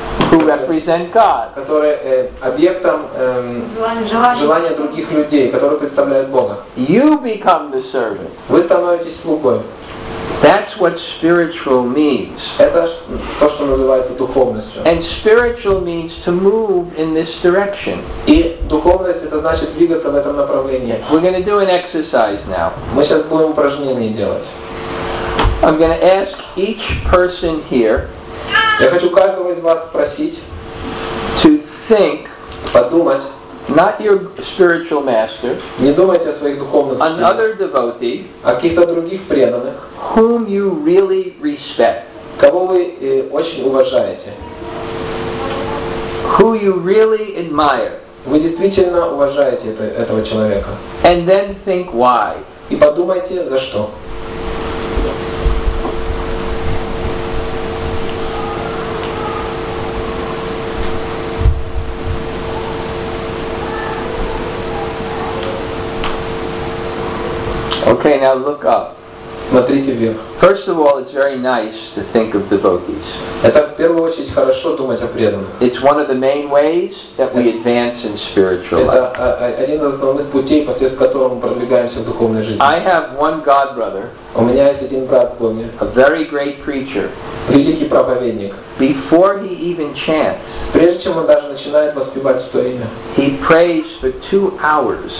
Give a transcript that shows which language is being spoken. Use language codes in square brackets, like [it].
[en] who represent God. [ru] Которые объектом желания других людей, которые представляют Бога. [en] You become the servant. [ru] Вы становитесь слугой. [en] That's what spiritual means. [ru] Это то, что называется духовностью. [en] And spiritual means to move in this direction. [ru] И духовность это значит двигаться в этом направлении. [en] We're going to do an exercise now. [ru] Мы сейчас будем упражнение делать. [en] I'm going to ask each person here. [ru] Я хочу каждого из вас спросить. [en] To think. [ru] Подумать. [en] Not your spiritual master. [ru] Не думайте о своих духовных. [en] Another devotee. [ru] О каких-то других преданных. [en] Whom you really respect. [ru] Кого вы очень уважаете. [en] Who you really admire. [ru] Вы действительно уважаете этого человека. [en] And then think why. [ru] И подумайте, за что. [en] Okay, now look up. [ru] Смотрите вверх. [en] First of all, it's very nice to think of devotees. [ru] Это в первую очередь хорошо думать о преданных. [en] It's one of the main ways that we advance in spiritual life. [ru] Это один из основных путей, посредством которого мы продвигаемся в духовной жизни. [en] I have one god brother. [ru] У меня есть один брат в Боге. [en] A very great preacher. [ru] Великий проповедник. [en] Before he even chants. [ru] Прежде чем он даже начинает воспевать в то имя. [en] He prays for 2 hours.